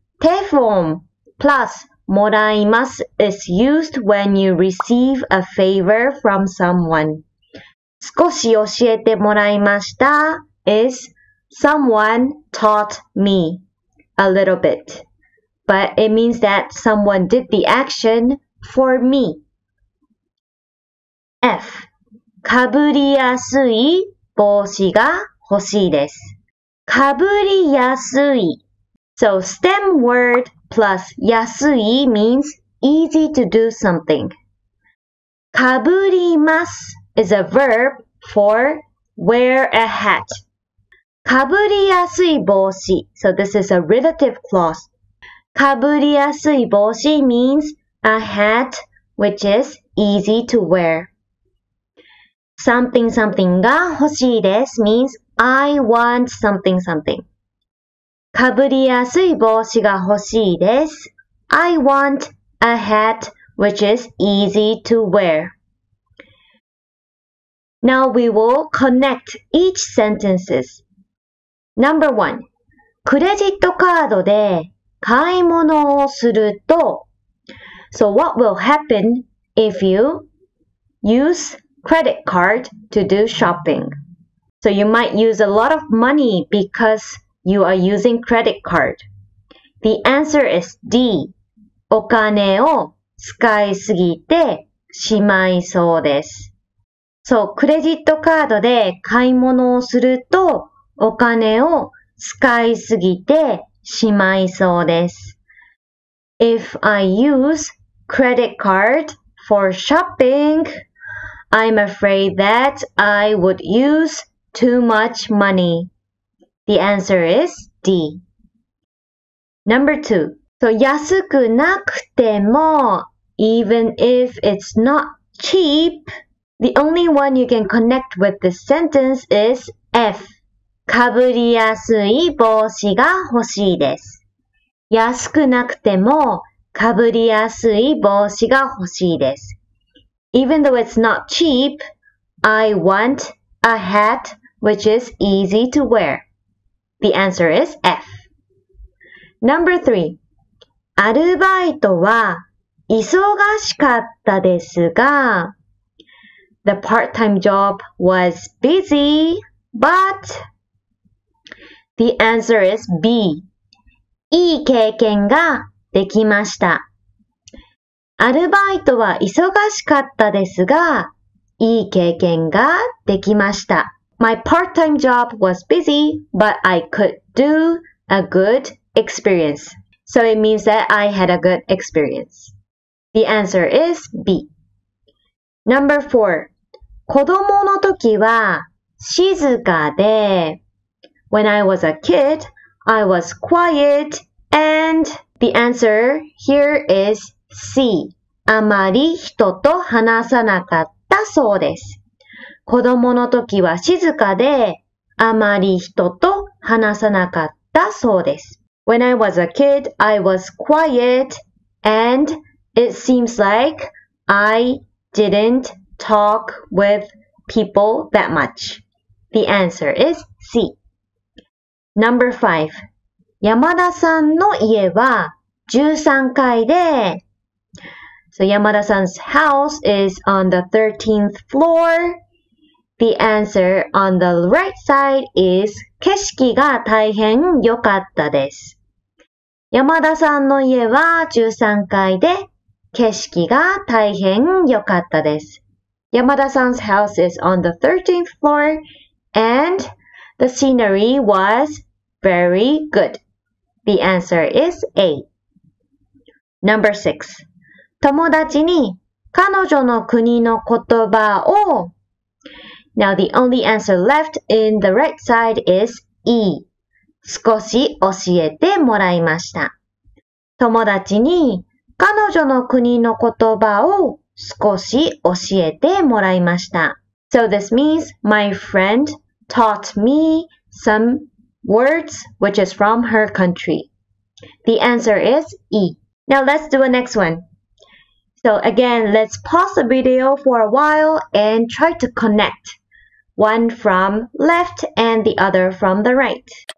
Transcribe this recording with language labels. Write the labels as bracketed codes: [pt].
[en] Te form plusもらいます is used when you receive a favor from someone. [ja] 少し教えてもらいました [en] is someone taught me a little bit. But it means that someone did the action for me. F. [ja] かぶりやすい帽子が欲しいです。かぶりやすい。 [en] So, stem word. Plus, 安い means easy to do something. かぶります is a verb for wear a hat. [ja] かぶりやすい帽子. [en] So this is a relative clause. [ja] かぶりやすい帽子 [en] means a hat which is easy to wear. Something something [ja] が欲しいです [en] means I want something something. [ja] かぶりやすい帽子が欲しいです。 [en] I want a hat which is easy to wear. Now we will connect each sentences. Number one. [ja] クレジットカードで買い物をすると [en] So what will happen if you use credit card to do shopping? So you might use a lot of money becauseYou are using credit card. The answer is D. [ja] お金を使いすぎてしまいそうです。 So, クレジットカードで買い物をするとお金を使いすぎてしまいそうです。 [en] If I use credit card for shopping, I'm afraid that I would use too much money. The answer is D. Number two. So, [ja] 安くなくても [en] even if it's not cheap, the only one you can connect with this sentence is F. [ja] かぶりやすい帽子が欲しいです。安くなくてもかぶりやすい帽子が欲しいです。 [en] Even though it's not cheap, I want a hat which is easy to wear. The answer is F. Number three. [ja] アルバイトは忙しかったですが [en] The part-time job was busy, but The answer is B. [ja] いい経験ができました。アルバイトは忙しかったですがいい経験ができました。 [en] My part-time job was busy, but I could do a good experience. So it means that I had a good experience. The answer is B. Number 4. [ja] 子供の時は静かで [en] When I was a kid, I was quiet and the answer here is C. [ja] あまり人と話さなかったそうです。子供の時は静かで、あまり人と話さなかったそうです。 [en] When I was a kid, I was quiet and it seems like I didn't talk with people that much. The answer is C. Number 5. [ja] 山田さんの家は13階で、 [en] So Yamada-san's house is on the 13th floor. The answer on the right side is [ja] 景色が大変良かったです。 Yamada-san の家は13階で景色が大変良かったです。 [en] Yamada-san's house is on the 13th floor and the scenery was very good. The answer is A. Number 6. [ja] 友達に彼女の国の言葉を [en] Now the only answer left in the right side is E. [ja] 少し教えてもらいました。友達に彼女の国の言葉を少し教えてもらいました。 [en] So this means my friend taught me some words which is from her country. The answer is E. Now let's do a next one. So again, let's pause the video for a while and try to connect one from left and the other from the right.